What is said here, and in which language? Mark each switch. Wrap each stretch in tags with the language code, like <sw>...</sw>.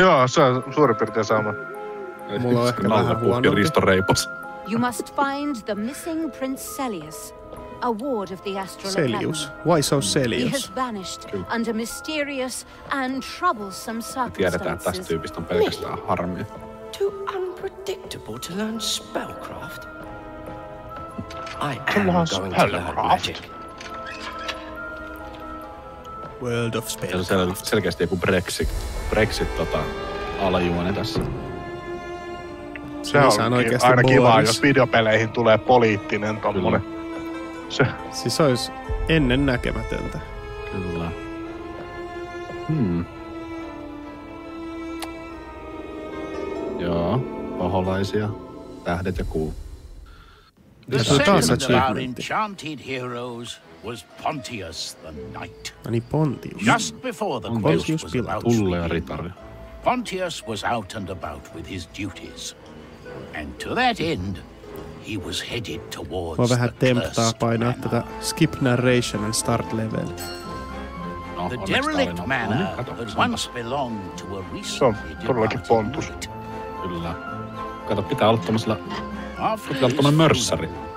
<fi>Joo, se on suurin piirtein sama. Mulla on ehkä vähän huonompi. Risto Reipas.</fi> <en>You must find the missing Prince Celius, a ward of the Astral Academy. Celius? Why so Celius? He has vanished under mysterious and troublesome circumstances.</en> <fi>Tiedetään, että tästä tyypistä on pelkästään harmi.</fi> <en>Too unpredictable to learn spellcraft. I am going to learn magic. World of Spellcraft.</en> <fi>Se on selkeästi joku Brexit alajuone tässä. Se on aina kivaa, jos videopeleihin tulee poliittinen tommonen. Se. Siis olisi ennen näkemätöntä. Kyllä. Joo, paholaisia, tähdet ja kuu.</fi> <en>The second of our enchanted heroes was Pontius the Knight. Ani Pontius. Just before the quest was about to begin, Pontius was out and about with his duties. And to that end, he was headed towards the cursed manor.</en> <fi>Painaa tätä</fi> <en>skip narration and start level. No, the derelict manor had once belonged to a recently departed Pontius. Knight.</en> <fi>Kyllä. Kato, pitää olla tommosella... Kyllä on tommonen mörssäri.</fi>